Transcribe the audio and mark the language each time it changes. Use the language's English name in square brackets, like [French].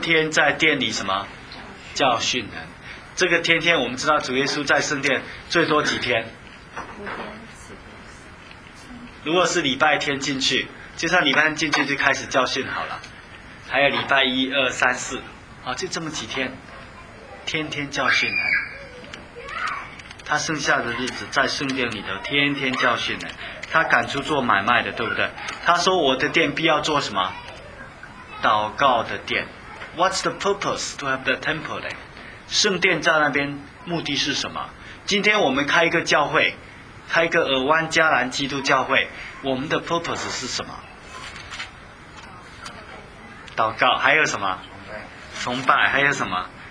[Chinese] 天天在殿里什么教训人。这个天天我们知道主耶稣在圣殿最多几天，如果是礼拜天进去，就算礼拜天进去就开始教训好了，还有礼拜一二三四，好，就这么几天，天天教训人。他剩下的日子在圣殿里头天天教训人，他赶出做买卖的，对不对？他说我的殿必要做什么？祷告的殿。 [English] What's the purpose to have the temple there? [Chinese] 圣殿在那边目的是什么？今天我们开一个教会，开一个尔湾迦兰基督教会，我们的 purpose 是什么？祷告，还有什么？崇拜，还有什么？